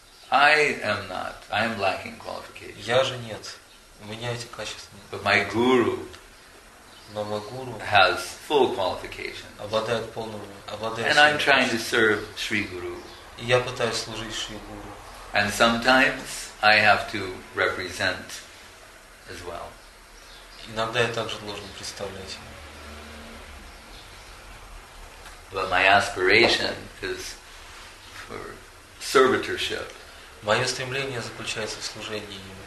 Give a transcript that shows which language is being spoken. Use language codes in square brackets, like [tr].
[en] I am not. I am lacking qualification. [ru] Я же нет. У меня эти качества нет. [en] But my guru, [ru] но мой гуру [en] has full qualification. [ru] Обладает полным, обладает. [en] And I'm trying to serve Sri Guru. [ru] И я пытаюсь служить Шри Гуру. [en] And sometimes I have to represent as well. [ru] Иногда я также должен представлять. [en] But my aspiration is for servitorship. [ru] Мое стремление заключается в служении ему.